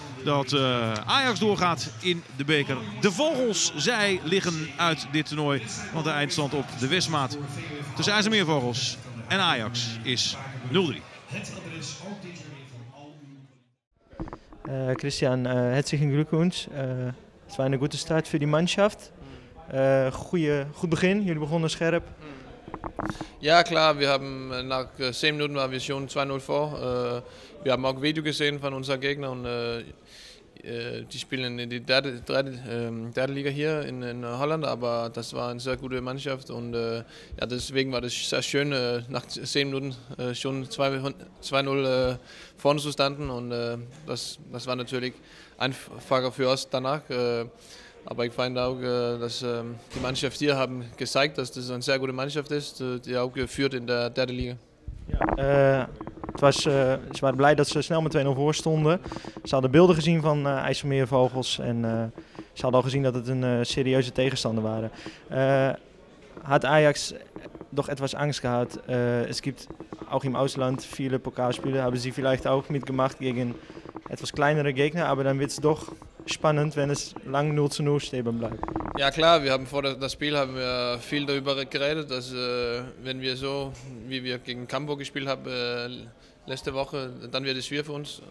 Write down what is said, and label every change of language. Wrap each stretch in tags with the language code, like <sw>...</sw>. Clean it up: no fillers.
<nl>Dat Ajax doorgaat in de beker. De vogels, zij liggen uit dit toernooi. Want de eindstand op de Westmaat. Tussen IJsselmeervogels en Ajax is 0-3.</nl> <de>Christian, herzlichen Glückwunsch.</de> <nl>Het was een goede start voor die Mannschaft. Goed begin, jullie begonnen scherp.</nl> <de>Ja, klar, wir haben nach 10 Minuten waren wir schon 2-0 vor. Wir haben auch Video gesehen von unserem Gegner und die spielen in der dritte Liga hier in Holland, aber das war eine sehr gute Mannschaft und ja, deswegen war das sehr schön, nach 10 Minuten schon 2-0 vorne zu standen und das war natürlich einfacher für uns danach. Aber ich finde auch, dass die Mannschaft hier haben gezeigt, dass das eine sehr gute Mannschaft ist, die auch geführt in der dritten Liga.</de> <nl>Ja, ze waren blij dat ze snel met 2-0 voor stonden. Ze hadden beelden gezien van IJsselmeervogels en ze hadden al gezien dat het een serieuze tegenstander waren. Had Ajax toch etwas angst gehad?</nl> <de>Es gibt auch im Ausland viele Pokalspiele,</de> <nl>hebben ze</nl> <de>vielleicht auch mitgemacht gegen etwas kleinere Gegner, aber dann wird es doch spannend, wenn es lang 0-0 stehen bleibt. Ja klar, wir haben vor das Spiel haben wir viel darüber geredet, dass wenn wir so wie wir gegen Campo gespielt haben letzte Woche, dann wird es schwer für uns.</de>